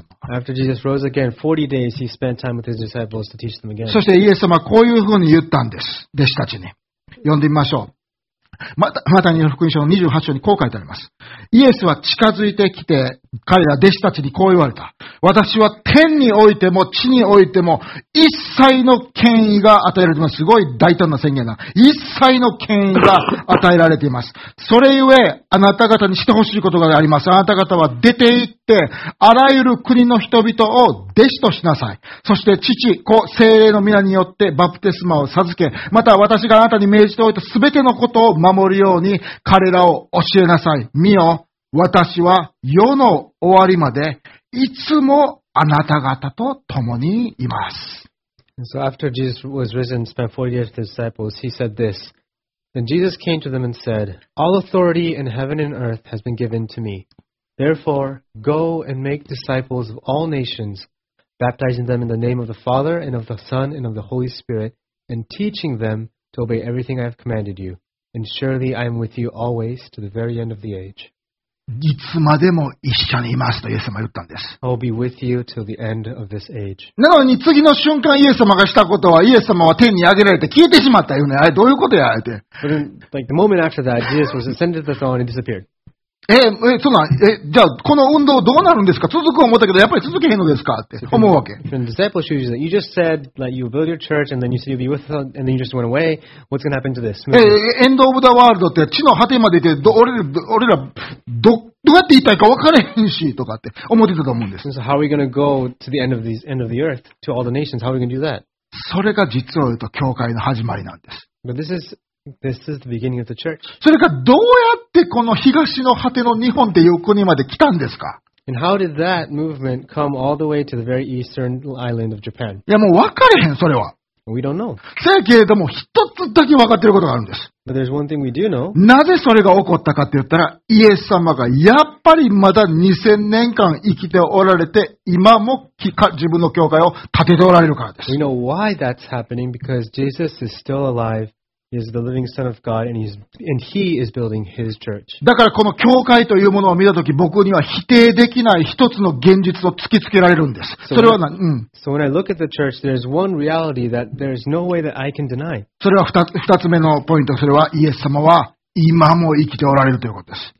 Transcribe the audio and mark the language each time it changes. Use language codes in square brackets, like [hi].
[en] after Jesus rose again, 40 days he spent time with his disciples to teach them again. [ja] そしてイエス様こういうふうに言ったんです、弟子たちに。読んでみましょう。またマタイの福音書の28章にこう書いてあります。イエスは近づいてきて、彼ら弟子たちにこう言われた。私は天においても地においても一切の権威が与えられています。すごい大胆な宣言だ。一切の権威が与えられています。それゆえ、あなた方にしてほしいことがあります。あなた方は出て行って、あらゆる国の人々を弟子としなさい。そして父、子、聖霊の御名によってバプテスマを授け、また私があなたに命じておいた全てのことを守るように彼らを教えなさい。見よ。私は世の終わりまでいつもあなた方と共にいます。 [en] So after Jesus was risen and spent 40 years with his disciples, he said this. Then Jesus came to them and said, All authority in heaven and earth has been given to me. Therefore, go and make disciples of all nations, baptizing them in the name of the Father and of the Son and of the Holy Spirit, and teaching them to obey everything I have commanded you. And surely I am with you always to the very end of the age. [ja] いつまでも一緒にいますとイエス様は言ったんです。 [en] I'll be with you till the end of this age. [ja] なのに次の瞬間イエス様がしたことはイエス様は天に上げられて消えてしまったよね。あれどういうことやあれって。 [en] But then, like the moment after that, Jesus was ascended to the throne and disappeared. [ja] そうなん、じゃあこの運動どうなるんですか。続く思ったけどやっぱり続けへんのですかって思うわけ。 [en] From disciples' shoes, you just said that you build your church and then you said you'll be with them and then you just went away. What's going to happen to this? エンドオブザワールド [ja] って地の果てまで行って俺らどうやって行ったいか分からへんしとかって思ってたと思うんです。 [en] And、so how are we going to go to the end of the earth to all the nations? How are we going to do that? [ja] それが実を言うと教会の始まりなんです。 [en] But This is the beginning of the church. [ja] それがどうやってこの東の果ての日本っていう国まで来たんですか。 [en] And how did that movement come all the way to the very eastern island of Japan? [ja] いやもう分かれへんそれは。 [en] We don't know. [ja] せやけれども一つだけ分かってることがあるんです。 [en] But there's one thing we do know. [ja] なぜそれが起こったかって言ったら、イエス様がやっぱりまだ2000年間生きておられて、今も自分の教会を建てておられるからです。 [en] We know why that's happening because Jesus is still alive. Is the living Son of God, and He is building His church. [ja] だからこの教会というものを見たとき、僕には否定できない一つの現実を突きつけられるんです。それは何？ [en] So when I look at the church, there's one reality that there's no way that I can deny. [ja] それは二つ目のポイント。それはイエス様は今も生きておられるということです。